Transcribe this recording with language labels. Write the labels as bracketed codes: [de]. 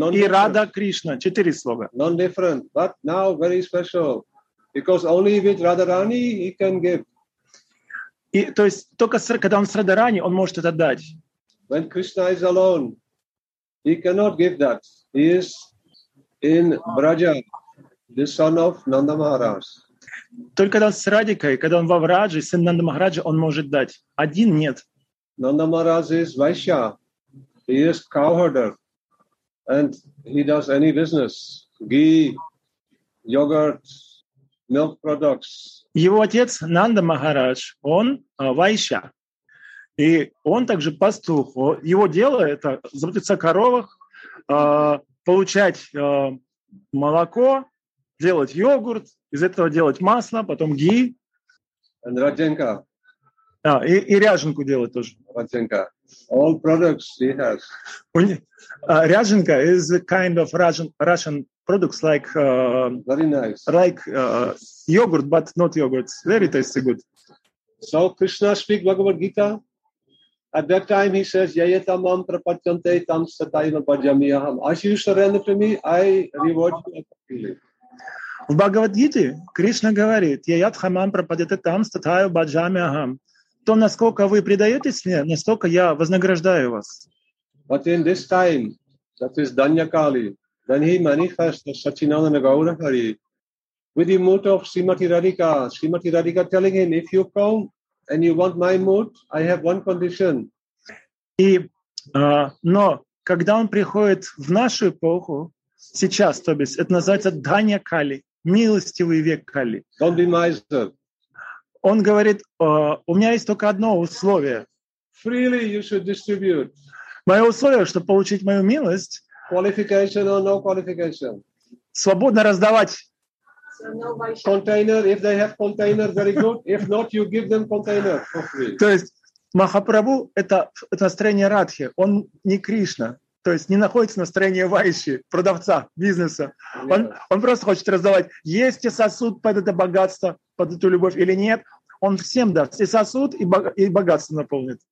[ru] и Радха Кришна, четыре слога. [en] Non-different, but now very special. Because only with Radharani he can give. [ru] И, то есть только когда он с Радхарани, он может это дать. [en] When Krishna is alone, he cannot give that. He is in Braja, the son of Nanda Maharaj. [ru] Только когда он с Радикой, когда он во Враджи, сын Нанда Махараджа, он может дать. Один нет. [en] Nanda Maharaj is Vaishya. He is cowherder. And he does any business, ghee, yogurt, milk products. [ru] Его отец Нанда Махарадж, он вайша, и он также пастух. Его дело это заботиться о коровах, получать молоко, делать йогурт, из этого делать масло, потом ghee. [en] And Радженка. [ru] И ряженку делать тоже. [en] Радженка. All products he has. Ryazhenka is a kind of Russian products like very nice. Like yogurt, but not yogurt. Very tasty, good. So Krishna speaks Bhagavad Gita. At that time, he says, [sa] "Yayeta mam prapachyante tam satayana bhajami aham." [en] As you surrender to me, I reward you accordingly. [ru] В Бхагавад-гите Кришна говорит: [sa] "Я ядхамам пропадете там, статаю баджами агам". [ru] То насколько вы предаетесь мне, настолько я вознаграждаю вас. [en] But in this time, that is Danyakali, then he manifests Satchinanda Gaurahari with the mood of Srimati Radhika. Srimati Radhika telling him, "If you come and you want my mood, I have one condition." [ru] И, но когда он приходит в нашу эпоху, сейчас, то бишь, это называется Данья Кали, милостивый век Кали. [en] Don't be miser. [ru] Он говорит, у меня есть только одно условие. [en] Freely you should distribute. [ru] Мое условие, чтобы получить мою милость. [en] Qualification or no qualification. [ru] Свободно раздавать. [en] Container, if they have container, very good. If not, you give them container for free. [ru] То есть Махапрабху — это настроение Радхи, он не Кришна. То есть не находится в настроении вайши, продавца, бизнеса. [en] Yeah. [ru] Он просто хочет раздавать. Есть ли сосуд под это богатство, под эту любовь или нет? Он всем даст. И сосуд, и богатство наполнит.